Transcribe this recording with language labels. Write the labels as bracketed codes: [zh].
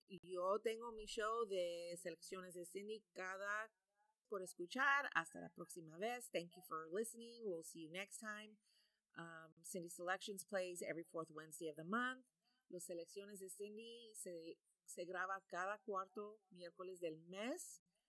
[es] Yo tengo mi show de selecciones de Cindy cada por escuchar. Hasta la próxima vez. [en] Thank you for listening. We'll see you next time. Cindy Selections plays every fourth Wednesday of the month. [es] Los selecciones de Cindy se graba cada cuarto miércoles del mes.